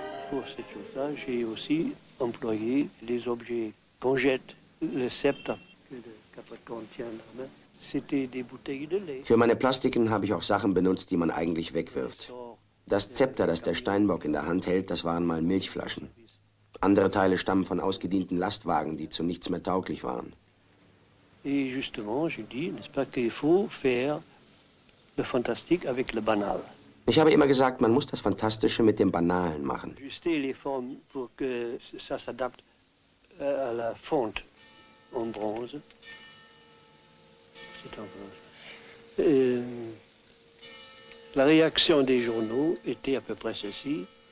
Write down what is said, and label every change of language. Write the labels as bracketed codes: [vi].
[fr] Pour cet usage, j'ai aussi employé les objets qu'on jette, le sceptre que le Capricorne tient. C'était des bouteilles de lait. [de] Für meine Plastiken habe ich auch Sachen benutzt, die man eigentlich wegwirft. Das Zepter, das der Steinbock in der Hand hält, das waren mal Milchflaschen. Andere Teile stammen von ausgedienten Lastwagen, die zu nichts mehr tauglich waren. [fr] Et justement, je dis, n'est-ce pas qu'il faut faire le fantastique avec le banal. [de] Ich habe immer gesagt, man muss das Fantastische mit dem Banalen machen. [fr] Juste les formes pour que ça s'adapte à la fonte en bronze. C'est en bronze. La réaction des journaux était à peu près ceci.